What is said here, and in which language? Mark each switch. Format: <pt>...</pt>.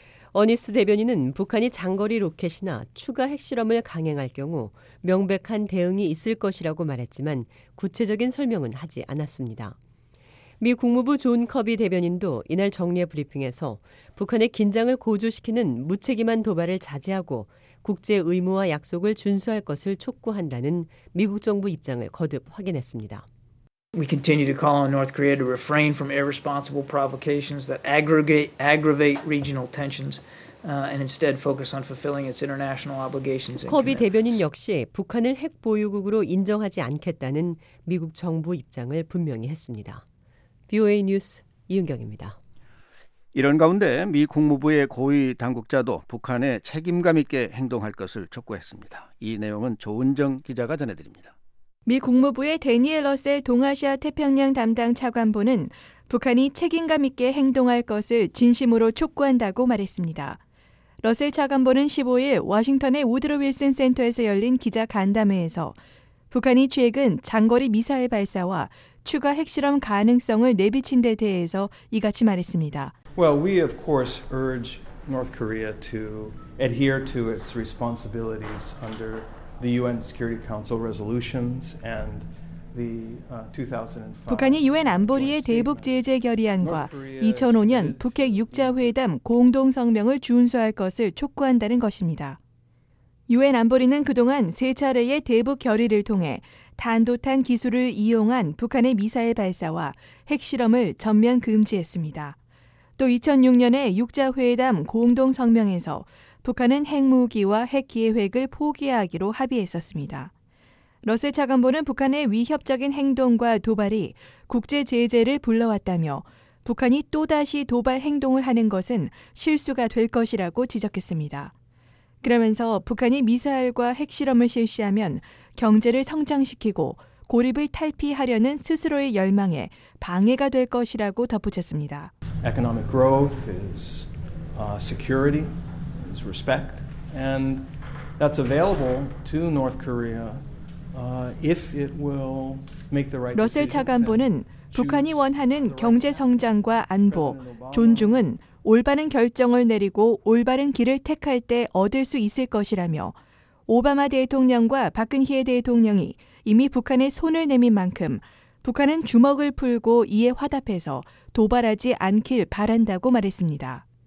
<ko>어니스 대변인은 북한이 장거리 로켓이나 추가 핵실험을 강행할 경우 명백한 대응이 있을 것이라고 말했지만 구체적인 설명은 하지 않았습니다. 미 국무부 존 커비 대변인도 이날 정례 브리핑에서 북한의 긴장을 고조시키는 무책임한 도발을 자제하고 국제 의무와 약속을 준수할 것을 촉구한다는 미국 정부 입장을 거듭 확인했습니다.</ko> <en>We continue to call on North Korea to refrain from irresponsible provocations that aggravate regional tensions and instead focus on fulfilling its international obligations and commitments.</en> <ko>커비 대변인 역시 북한을 핵 보유국으로 인정하지 않겠다는 미국 정부 입장을 분명히 했습니다. VOA 뉴스 이은경입니다. 이런 가운데 미 국무부의 고위 당국자도 북한에 책임감 있게 행동할 것을 촉구했습니다. 이 내용은 조은정 기자가 전해드립니다. 미 국무부의 대니엘 러셀 동아시아 태평양 담당 차관보는 북한이 책임감 있게 행동할 것을 진심으로 촉구한다고 말했습니다. 러셀 차관보는 15일 워싱턴의 우드로 윌슨 센터에서 열린 기자 간담회에서 북한이 최근 장거리 미사일 발사와 추가 핵실험 가능성을 내비친 데 대해서 이같이 말했습니다.</ko> <en>Well, we of course urge North Korea to adhere to its responsibilities under the UN Security Council resolutions and the 2005</en> <ko>북한이 UN 안보리의 대북 제재 결의안과 2005년 북핵 6자 회담 공동 성명을 준수할 것을 촉구한다는 것입니다. UN 안보리는 그동안 세 차례의 대북 결의를 통해 탄도탄 기술을 이용한 북한의 미사일 발사와 핵실험을 전면 금지했습니다. 또 2006년에 6자 회담 공동 성명에서 북한은 핵무기와 핵기획을 포기하기로 합의했었습니다. 러셀 차관보는 북한의 위협적인 행동과 도발이 국제 제재를 불러왔다며 북한이 또다시 도발 행동을 하는 것은 실수가 될 것이라고 지적했습니다. 그러면서 북한이 미사일과 핵실험을 실시하면 경제를 성장시키고 고립을 탈피하려는 스스로의 열망에 방해가 될 것이라고 덧붙였습니다.</ko> <en>Economic growth is security, is respect, and that's available to North Korea if it will make the right.</en> <ko>러셀 차관보는 북한이 원하는 경제 성장과 안보, 존중은 올바른 결정을 내리고 올바른 길을 택할 때 얻을 수 있을 것이라며 오바마 대통령과 박근혜 대통령이 이미 북한에 손을 내민 만큼 북한은 주먹을 풀고 이에 화답해서 도발하지 않길 바란다고 말했습니다.</ko>